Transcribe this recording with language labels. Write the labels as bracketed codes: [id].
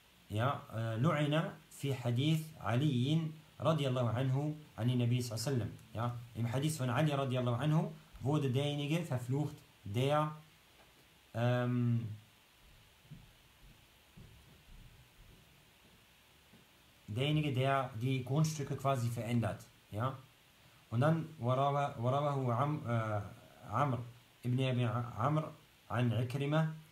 [ar] Ja, لعن في حديث علي رضي الله عنه عن النبي صلى الله عليه وسلم. [de] Ja, im Hadith von Ali [ar] رضي الله عنه [de] wurde derjenige verflucht, der die Grundstücke quasi verändert. Ja, und dann [ar] وروى عمرو ابن أبي عمرو عن عكرمة